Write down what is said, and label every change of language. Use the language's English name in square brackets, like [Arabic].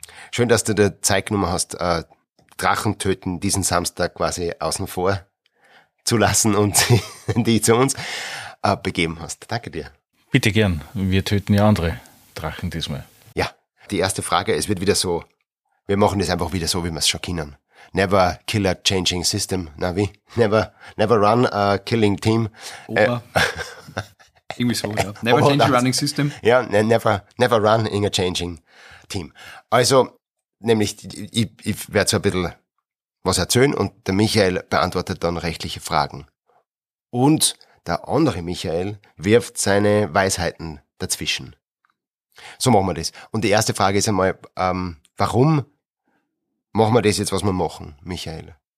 [German] Schön, dass du die Zeitnummer hast, Drachentöten diesen Samstag quasi außen vor zu lassen und die zu uns begeben hast. Danke dir. Bitte gern. Wir töten ja andere Drachen diesmal. Ja, die erste Frage, es wird wieder so, wir machen das einfach wieder so, wie wir es schon kennen. [English] Never kill a changing system, [German] na wie? [English] Never run a killing team. [German] Irgendwie so, ja. [English] Never change a running system. [German] Ja, [English] never run in a changing team. [German] Also, nämlich, ich werde so ein bisschen was erzählen und der Michael beantwortet dann rechtliche Fragen. Und der andere Michael wirft seine Weisheiten dazwischen. So machen wir das. Und die erste Frage ist einmal, warum machen wir das jetzt, was wir machen, Michael?